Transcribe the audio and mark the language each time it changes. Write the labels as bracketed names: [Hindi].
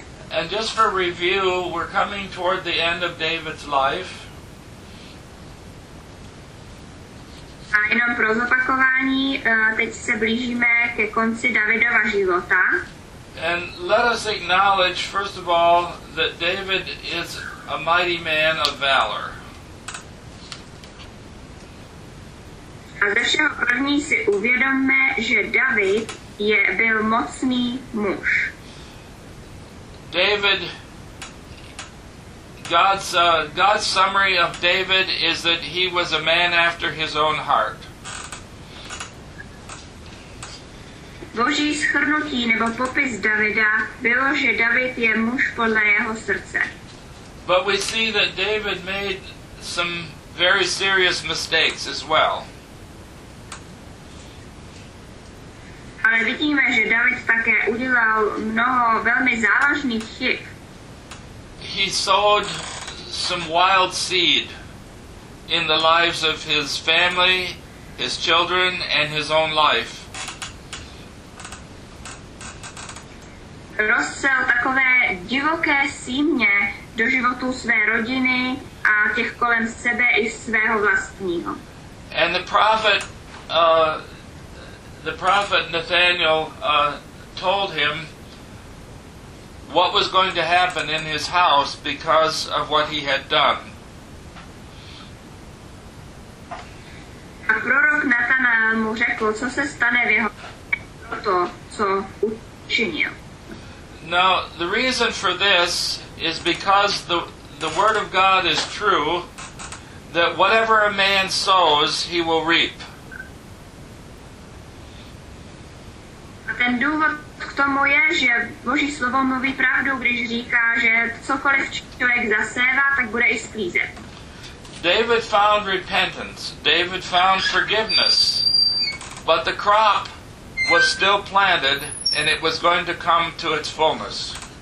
[English] And just for review, we're coming toward the end of David's life. [Czech] A jenom pro zopakování, teď se blížíme ke konci Davidova života. [English] And let us acknowledge, first of all, that David is a mighty man of valor. [Czech] A ze všeho první si uvědomme, že David byl mocný muž. [English] David, God's summary of David is that he was a man after his own heart. [Czech] Boží shrnutí nebo popis Davida bylo, že David je muž podle jeho srdce. [English] But we see that David made some very serious mistakes as well. [Czech] Ale vidíme, že David také udělal mnoho velmi závažných chyb. [English] He sowed some wild seed in the lives of his family his children and his own life. [Czech] Rozsel takové divoké símě do životů své rodiny a těch kolem sebe i svého vlastního. [English] And the prophet Nathaniel told him what was going to happen in his house because of what he had done. [Czech] A prorok Nathanael mu řekl, co se stane v jeho proto, co učinil. [English] Now, the reason for this is because the word of God is true, that whatever a man sows, he will reap. [Czech] A ten důvod k tomu je, že Boží slovo mluví pravdu, když říká, že cokoliv člověk zasévá, tak bude i sklízet. [English] David found repentance. David found forgiveness. But the crop was still planted, and it was going to come to its fullness.